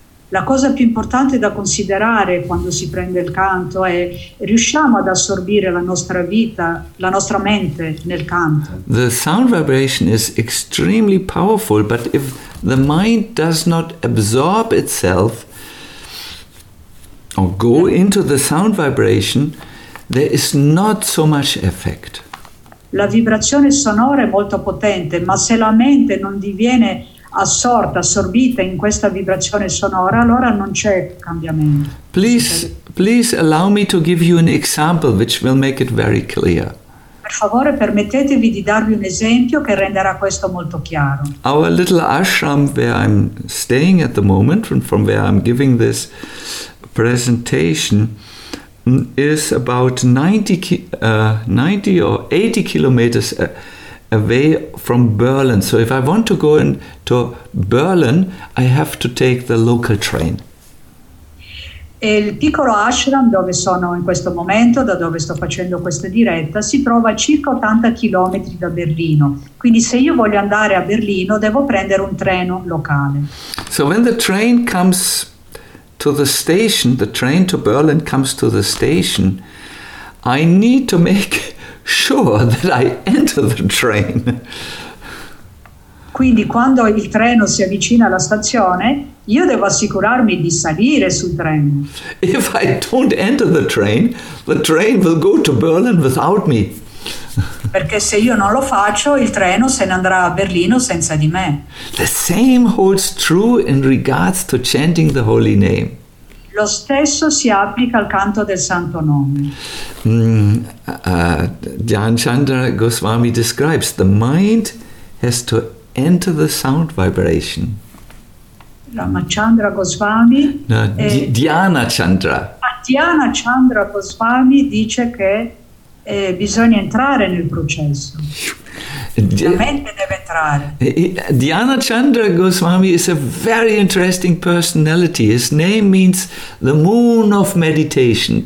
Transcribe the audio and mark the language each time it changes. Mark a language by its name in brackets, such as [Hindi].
[Italian] La cosa più importante da considerare quando si prende il canto è: riusciamo ad assorbire la nostra vita, la nostra mente nel canto? [English] The sound vibration is extremely powerful, but if the mind does not absorb itself or go into the sound vibration, there is not so much effect. [Italian] La vibrazione sonora è molto potente, ma se la mente non diviene assorbita in questa vibrazione sonora, allora non c'è cambiamento. [English] Please allow me to give you an example which will make it very clear. [Italian] Per favore, permettetevi di darvi un esempio che renderà questo molto chiaro. [English] Our little ashram where I'm staying at the moment, from where I'm giving this presentation, is about 90 or 80 kilometers away from Berlin. So if I want to go to Berlin, I have to take the local train. [Italian] Il piccolo ashram dove sono in questo momento, da dove sto facendo questa diretta, si trova a circa 80 km da Berlino. Quindi se io voglio andare a Berlino, devo prendere un treno locale. [English] So when the train comes to the station, the train to Berlin comes to the station, I need to make sure that I enter the train. [Italian] Quindi quando il treno si avvicina alla stazione, io devo assicurarmi di salire sul treno. [English] If I don't enter the train will go to Berlin without me. [Italian] Perché se io non lo faccio, il treno se ne andrà a Berlino senza di me. [English] The same holds true in regards to chanting the holy name. [Italian] Lo stesso si applica al canto del santo nome. [English] Dhyanchandra Goswami describes the mind has to enter the sound vibration. Ramachandra Goswami. No, Dhyanachandra. [Italian] Dhyanachandra Goswami dice che bisogna entrare nel processo. La mente deve entrare. [English] Dhyanachandra Goswami is a very interesting personality. His name means the moon of meditation.